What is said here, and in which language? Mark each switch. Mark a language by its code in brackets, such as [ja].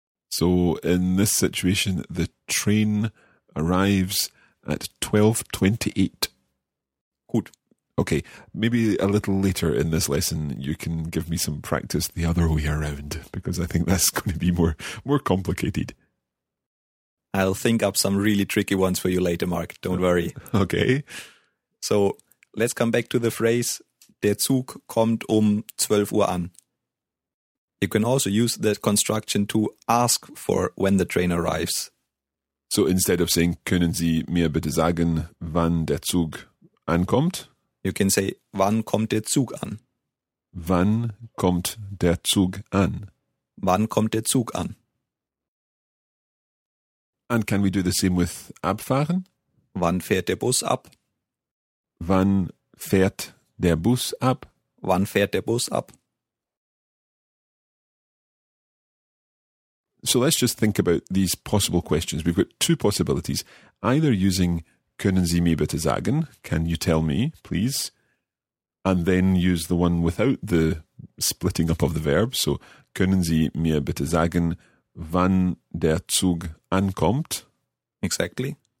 [en] So in this situation, the train arrives at 12.28. [de] Gut. [en] Okay, maybe a little later in this lesson you can give me some practice the other way around, because I think that's going to be more complicated. I'll think up some really tricky ones for you later, Mark. Don't worry. Okay. So let's come back to the phrase, [de] der Zug kommt um 12 Uhr an. [en] You can also use the construction to ask for when the train arrives. So instead of saying, [de] können Sie mir bitte sagen, wann der Zug ankommt? [en] You can say, [de] wann kommt der Zug an? Wann kommt der Zug an? Wann kommt der Zug an? [en] And can we do the same with abfahren? [de] Wann fährt der Bus ab? Wann fährt der Bus ab? Wann fährt der Bus ab? [en] So let's just think about these possible questions. We've got two possibilities. Either using [de] können Sie mir bitte sagen, [en] can you tell me, please? And then use the one without the splitting up of the verb. [de] So können Sie mir bitte sagen, wann der Zug ankommt? [en] Exactly.